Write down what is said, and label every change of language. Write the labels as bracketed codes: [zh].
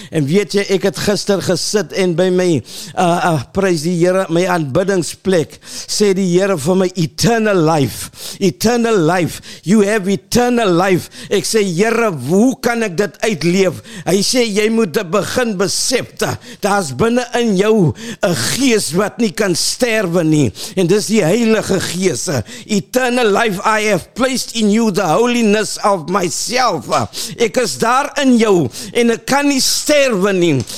[af] En weet jy, ek het gister gesit en by my prys die Here, my aanbiddingsplek, sê die Here vir my, [en] eternal life, eternal life, you have eternal life. [af] Ek sê, Here, hoe kan ek dit uitleef? Hy sê, jy moet begin besef, daar is binne in jou 'n gees wat nie kan sterwe nie, en dis die Heilige Gees. [en] Eternal life, I have placed in you the holiness of myself. [af] Ek is daar in jou en ek kan nie sterwe nie.